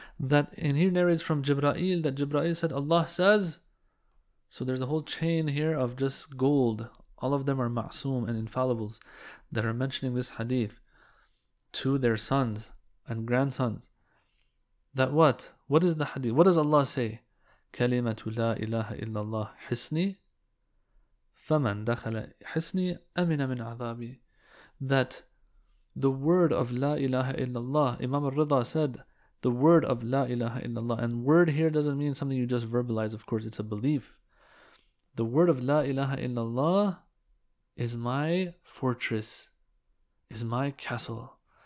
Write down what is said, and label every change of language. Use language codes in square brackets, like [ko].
[en] And he narrates from Jibra'il, that Jibra'il said, Allah says, so there's a whole chain here of just gold. All of them are ma'soom and infallibles that are mentioning this hadith to their sons and grandsons. That what? What is the hadith? What does Allah say? [ar] كلمة لا إله إلا الله حسني فمن دخل حسني أمن من عذابي. [en] That the word of لا إله إلا الله, Imam al-Ridha said, the word of لا إله إلا الله, and word here doesn't mean something you just verbalize, of course, it's a belief. The word of لا إله إلا الله is my fortress, is my castle.